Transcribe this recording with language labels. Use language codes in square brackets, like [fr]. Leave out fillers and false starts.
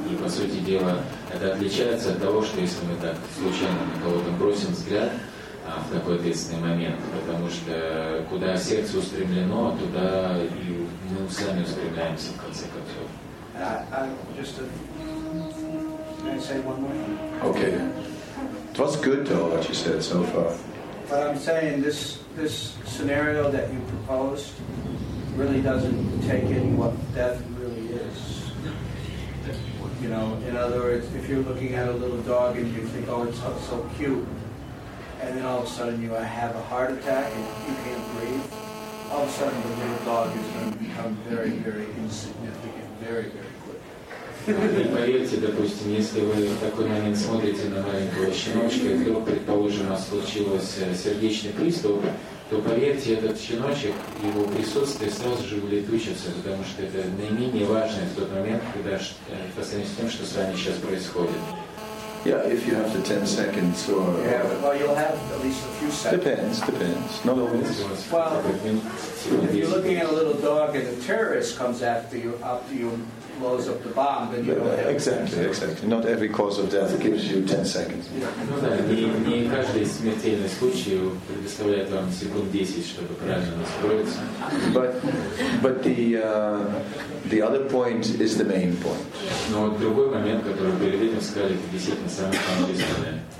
[ru] И, по сути дела, это отличается от того, что если мы так случайно на кого-то бросим взгляд в такой ответственный момент, потому что куда сердце устремлено, туда и мы сами устремляемся, в конце концов. [en] Okay. It was good, though, what you said so far. But I'm saying this scenario that you proposed really doesn't take in what death really is. You know, in other words, if you're looking at a little dog and you think, oh, it's so cute, and then all of a sudden you have a heart attack and you can't breathe, all of a sudden the little dog is going to become very, very insignificant, very, very. [ru] И поверьте, допустим, если вы в такой момент смотрите на маленького щеночка, и вдруг, предположим, у вас случился сердечный приступ, то поверьте, этот щеночек, его присутствие сразу же улетучится, потому что это наименее важное в тот момент, когда по сравнению с тем, что с вами сейчас происходит. [en] Yeah, if you have the 10 seconds or... Yeah, well, you'll have at least a few seconds. Depends. Not always. Well, if you're looking at a little dog and a terrorist comes after you blows up the bomb, then you don't have... Exactly. Not every cause of death gives you 10 seconds. [ru] No, не каждый смертельный случай предоставляет вам секунд 10, чтобы правильно настроиться. [en] But the other point is the main point. [ru] Но другой момент, который перед этим сказали, это действительно самое важное.